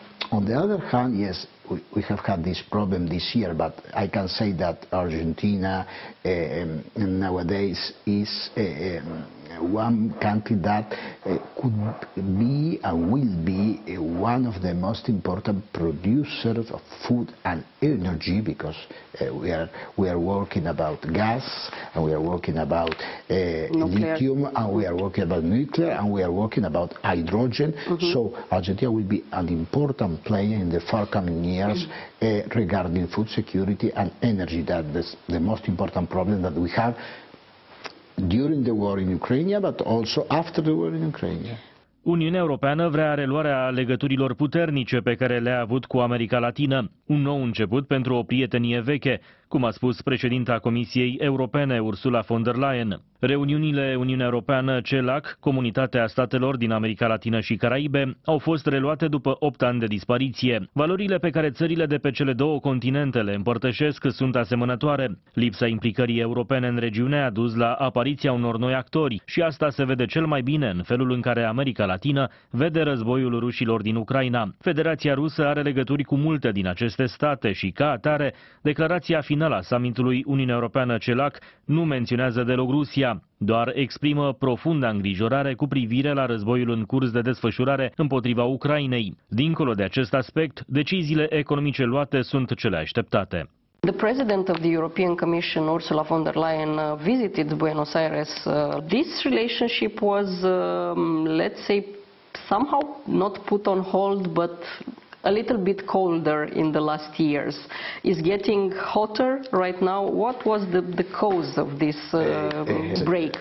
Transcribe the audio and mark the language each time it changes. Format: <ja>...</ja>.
<en>On the other hand, yes, we have had this problem this year, but I can say that Argentina nowadays is one country that could be and will be one of the most important producers of food and energy, because we are working about gas, and we are working about lithium, and we are working about nuclear, and we are working about hydrogen. Mm-hmm. So Argentina will be an important player in the far coming years regarding food security and energy. That is the most important problem that we have during the war in Ukraine, but also after the war in Ukraine.</en> <ro>Uniunea Europeană vrea reluarea legăturilor puternice pe care le-a avut cu America Latină, un nou început pentru o prietenie veche, cum a spus președinta Comisiei Europene, Ursula von der Leyen. Reuniunile Uniunea Europeană, CELAC, Comunitatea Statelor din America Latină și Caraibe, au fost reluate după 8 ani de dispariție. Valorile pe care țările de pe cele două continente le împărtășesc sunt asemănătoare. Lipsa implicării europene în regiune a dus la apariția unor noi actori și asta se vede cel mai bine în felul în care America Latină vede războiul rușilor din Ucraina. Federația Rusă are legături cu multe din aceste state și, ca atare, declarația finală a summitului Uniunea Europeană-CELAC nu menționează deloc Rusia, doar exprimă profundă îngrijorare cu privire la războiul în curs de desfășurare împotriva Ucrainei. Dincolo de acest aspect, deciziile economice luate sunt cele așteptate.</ro> <en>The president of the European Commission, Ursula von der Leyen, visited Buenos Aires. This relationship was, let's say, somehow not put on hold, but a little bit colder in the last years. Is getting hotter right now. What was the cause of this break?</en>